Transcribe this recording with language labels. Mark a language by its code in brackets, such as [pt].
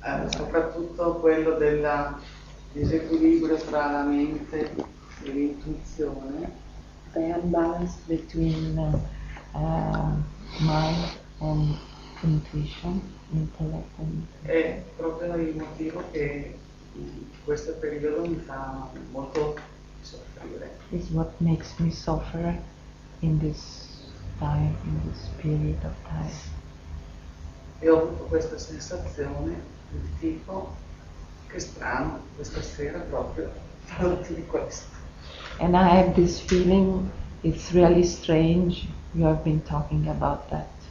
[it] soprattutto quello della disequilibrio tra la mente e l'intuizione. [en] The imbalance between mind and intuition, intellect and intuition. [it] È proprio il motivo che questo periodo mi fa molto soffrire. [en] Is what makes me suffer in this time, in this period of time. [it] E ho avuto questa sensazione del tipo che strano questa sera proprio parlati di questo. [en] And I have this feeling, it's really strange, you have been talking about that.